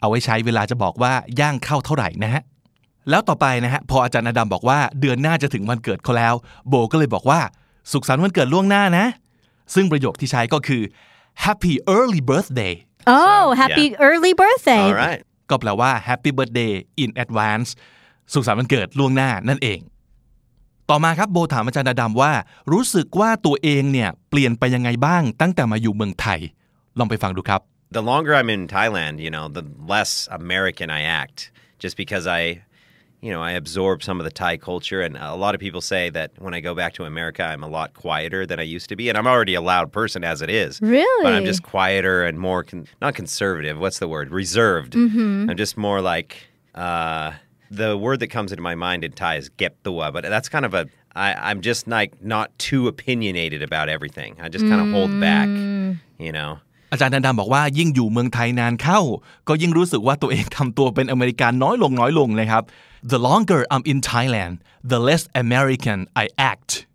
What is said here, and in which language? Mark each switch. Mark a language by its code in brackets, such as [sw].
[th] เอาไว้ใช้เวลาจะบอกว่าย่างเข้าเท่าไหร่นะฮะแล้วต่อไปนะฮะพออาจารย์อดัมบอกว่าเดือนหน้าจะถึงวันเกิดเขาแล้วโบก็เลยบอกว่าสุขสันต์วันเกิดล่วงหน้านะซึ่งประโยคที่ใช้ก็คือ [en] Happy early birthday Oh happy yeah. early birthday All right [th] ก็แปลว่า [en] Happy Birthday in advance [th] สุขสันต์วันเกิดล่วงหน้านั่นเองต่อมาครับโบถามอาจารย์อดัมว่ารู้สึกว่าตัวเองเนี่ยเปลี่ยนไปยังไงบ้างตั้งแต่มาอยู่เมืองไทยลองไปฟังดูครับ [en] The longer I'm in Thailand, you know, the less American I act just because I, you know, I absorb some of the Thai culture and a lot of people say that when I go back to America I'm a lot quieter than I used to be and I'm already a loud person as it is. Really? But I'm just quieter and more not conservative, what's the word? Reserved. Mm-hmm. I'm just more like the word that comes into my mind in Thai is gep tua, but that's kind of a I'm just like not too opinionated about everything. I just kind of hold back, you know. [th] อาจารย์ดันดันบอกว่ายิ่งอยู่เมืองไทยนานเข้าก็ยิ่งรู้สึกว่าตัวเองทำตัวเป็นอเมริกันน้อยลงน้อยลงนะครับ [en] The longer I'm in Thailand, the less American I act.